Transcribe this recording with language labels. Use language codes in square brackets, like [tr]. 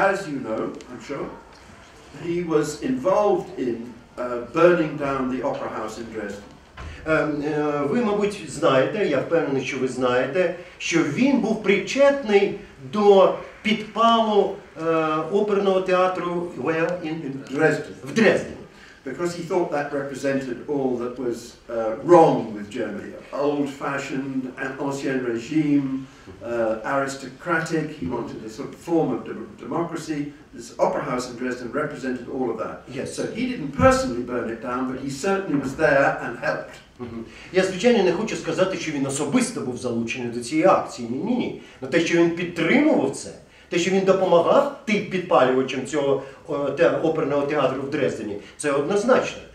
[en] As you know, I'm sure, he was involved in burning down the opera house in Dresden. [uk] Ви, мабуть, знаєте, я впевнений, що ви знаєте, що він був причетний до підпалу оперного театру в Дрездені. [en] Because he thought that represented all that was wrong with Germany. Old-fashioned, ancien regime, aristocratic, he wanted a sort of form of democracy. This opera house in Dresden represented all of that. Yes. So he didn't personally burn it down, but he certainly was there and helped. [uk] Я, звичайно, не хочу сказати, що він особисто був залучений до цієї акції. Ні-ні-ні. Но те, що він підтримував це, те, що він допомагав тим підпалювачам цього оперного театру в Дрездені, це однозначно.